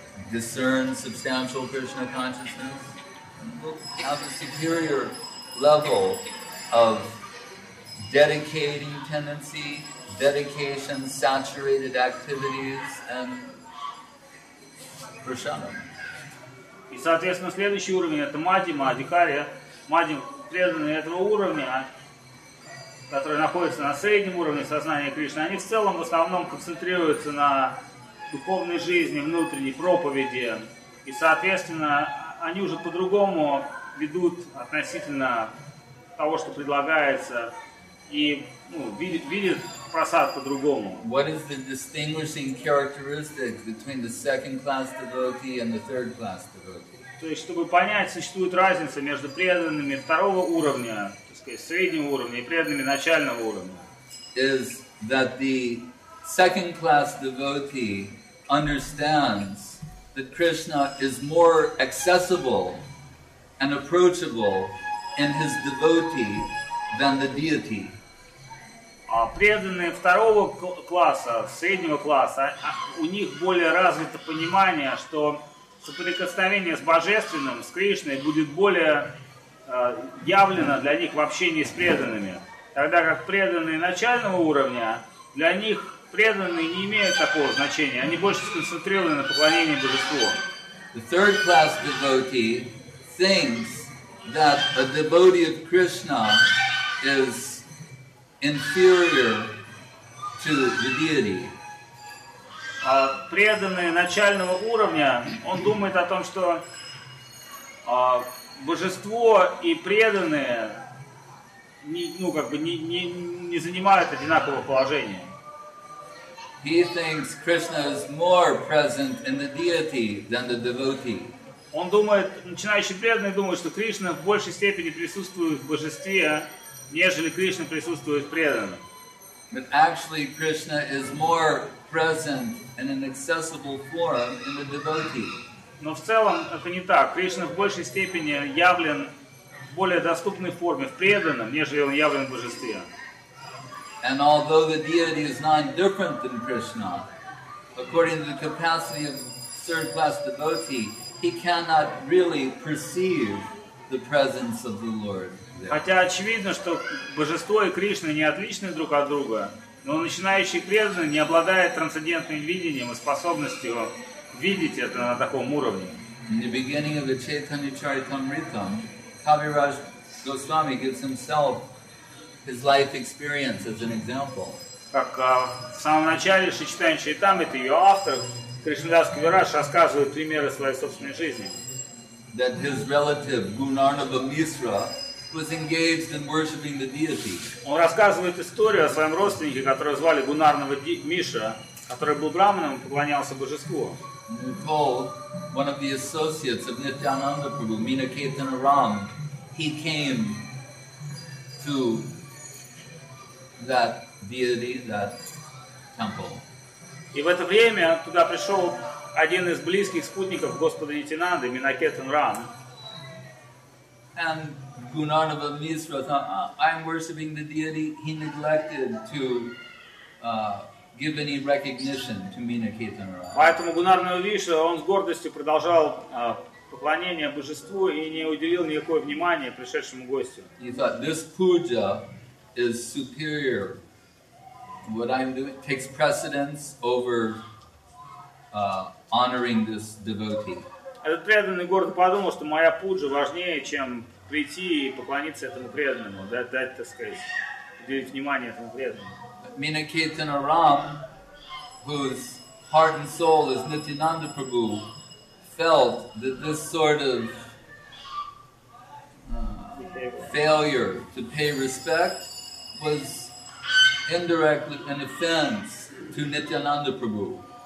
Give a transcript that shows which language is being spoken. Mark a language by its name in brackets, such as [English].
[English] discern substantial Krishna consciousness, will have a superior level of dedicating tendency, dedication, saturated activities, and prasadam. [Russian] И, соответственно, следующий уровень – это мадхима, адхикария. Мадхим, преданные этого уровня, которые находятся на среднем уровне сознания Кришны, они в целом, в основном, концентрируются на духовной жизни, внутренней проповеди. И, соответственно, они уже по-другому ведут относительно того, что предлагается, и видят просад по-другому. [English] What is the distinguishing characteristic between the second class devotee and the third class devotee? [Russian] То есть, чтобы понять, существует разница между преданными второго уровня, так сказать, среднего уровня, и преданными начального уровня. [English] Is that the second class devotee understands that Krishna is more accessible and approachable in his devotee than the deity. [Russian] А преданные второго класса, среднего класса, у них более развито понимание, что соприкосновение с Божественным, с Кришной, будет более явлено для них в общении с преданными. Тогда как преданные начального уровня, для них преданные не имеют такого значения, они больше сконцентрированы на поклонении Божеству. [English] The third class devotee thinks that a devotee of Krishna is inferior to the deity. [Russian] Преданный начального уровня, он думает о том, что божество и преданные не занимают одинакового положения. [English] He thinks Krishna is more present in the deity than the devotee. [Russian] Он думает, начинающий преданный думает, что Кришна в большей степени присутствует в божестве, нежели Кришна присутствует преданно. [English] But actually Krishna is more present in an accessible form in the devotee. [Russian] Но в целом это не так. Кришна в большей степени явлен в более доступной форме, в преданном, нежели он явлен в божестве. [English] And although the deity is not different than Krishna, according to the capacity of third class devotee, he cannot really perceive the presence of the Lord. [Russian] Хотя очевидно, что божество и Кришна не отличны друг от друга, но начинающий преданный не обладает трансцендентным видением и способностью видеть это на таком уровне. [English] In the beginning of the Chaitanya Charitamrita, Kaviraj Goswami gives himself his life experience as an example. [Russian] Как в самом начале Шри Чайтанья Чаритамриты, ее автор, Кришнадас Кавирадж, рассказывает примеры своей собственной жизни. [English] That his relative, Gunarnava Misra, was engaged in worshipping the deity. [Russian] Он рассказывает историю о своем родственнике, которого звали Гунарнава Миша, который был браманом и поклонялся божеству. [English] He told one of the associates of Nityananda Prabhu, Minaketana Ram, he came to that deity, that temple. [Russian] И в это время туда пришел один из близких спутников Господа Нитинанды, Минакетана Рам. [English] And Gunarnava Misra thought, I'm worshipping the deity. He neglected to give any recognition to Minaketana Ram. [Russian] Поэтому Гунарнава Миша, он с гордостью продолжал поклонение божеству и не уделил никакого внимания пришедшему гостю. [English] He thought, this puja is superior. What I'm doing takes precedence over honoring this devotee. [Russian] Этот преданный гордо подумал, что моя пуджа важнее, чем прийти и поклониться этому преданному, дать, так сказать, уделить внимание этому преданному. [English] Minaketana Ram, whose heart and soul is Nityananda Prabhu, felt that this sort of failure to pay respect was indirectly an offense to Nityananda Prabhu.